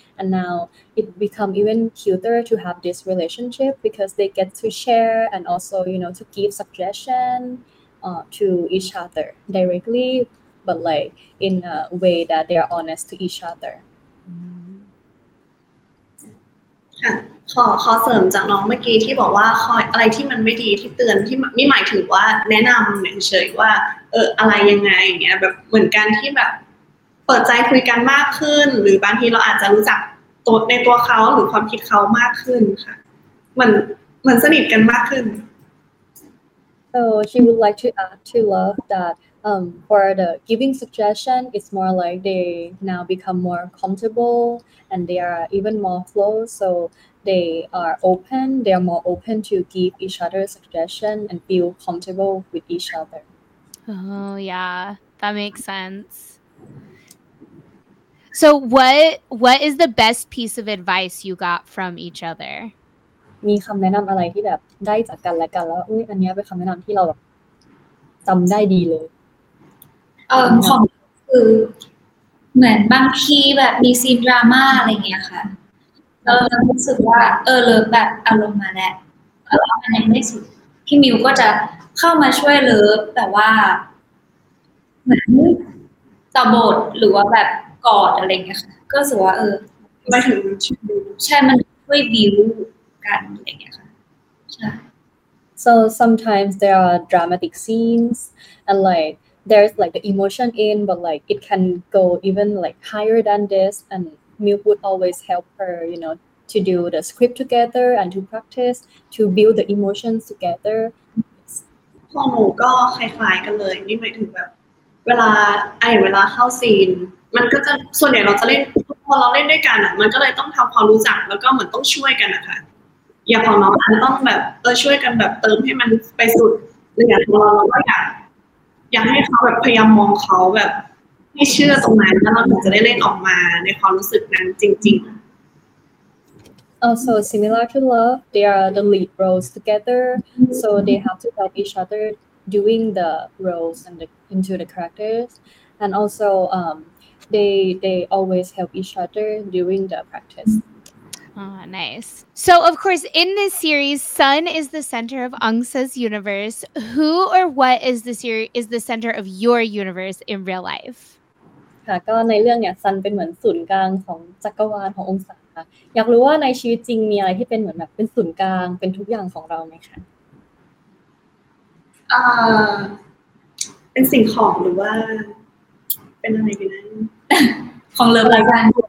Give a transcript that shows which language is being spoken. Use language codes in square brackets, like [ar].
[en] And now it become even cuter to have this relationship because they get to share and also, you know, to give suggestion to each other directly, but like in a way that they are honest to each other. [th] ขอเสริมจากน้องเมื่อกี้ที่บอกว่าคอยอะไรที่มันไม่ดีที่เตือนที่ไม่หมายถึงว่าแนะนำเฉยๆว่าอะไรยังไงอย่างเงี้ยแบบเหมือนการที่แบบเปิดใจคุยกันมากขึ้นหรือบางทีเราอาจจะรู้จักตัวในตัวเขาหรือความคิดเขามากขึ้นค่ะเหมือนสนิทกันมากขึ้น [en] So she would like to add to love thatfor the giving suggestion, it's more like they now become more comfortable and they are even more close, so they are open, they are more open to give each other suggestion and feel comfortable with each other. Oh yeah, that makes sense. So what is the best piece of advice you got from each other? [th] มีคำแนะนำอะไรที่แบบได้จากกันและกันแล้วอันนี้เป็นคำแนะนำที่เราจำได้ดีเลย ของคือเหมือนบางทีแบบมีซีนดราม่าอะไรเงี้ยค่ะรู้สึกว่าเลิฟแบบอารมณ์มาแล้วอารมณ์มันยังไม่สุดพี่มิวก็จะเข้ามาช่วยเลิฟแต่ว่าเหมือนต่อบทหรือว่าแบบกอดอะไรเงี้ยค่ะก็รู้สึกว่า ไม่ถึง ใช่มันช่วยบิวกันอะไรเงี้ยค่ะใช่ [en] so sometimes there are dramatic scenes and likeThere's like the emotion in, but like it can go even like higher than this. And Milk would always help her, you know, to do the script together and to practice to build the emotions together. [th] พอหนูก็คล้ายๆกันเลยนี่หมายถึงแบบเวลาเข้าซีนมันก็จะส่วนใหญ่เราจะเล่นพอเราเล่นด้วยกันอ่ะมันก็เลยต้องทำความรู้จักแล้วก็เหมือนต้องช่วยกันนะคะอย่างของน้องอันต้องแบบช่วยกันแบบเติมให้มันไปสุดเลยอย่างของเราก็อยากให้เขาแบบพยายามมองเขาแบบให้เชื่อตรงนั้นแล้วเราถึงจะได้เล่นออกมาในความรู้สึกนั้นจริง [en] ๆ also similar to love they are the lead roles together so they have to help each other doing the roles and into the characters, and also they always help each other during the practice. Oh, nice. So, of course, in this series, Sun is the center of Eungsa's universe. Who or what is the series is the center of your universe in real life? [th] ค่ะก็ในเรื่องเนี่ยซันเป็นเหมือนศูนย์กลางของจักรวาลขององศาค่ะอยากรู้ว่าในชีวิตจริงมีอะไรที่เป็นเหมือนแบบเป็นศูนย์กลางเป็นทุกอย่างของเราไหมคะ เป็นสิ่งของหรือว่าเป็นอะไรกันนั้นของเลิฟไลฟ์กัน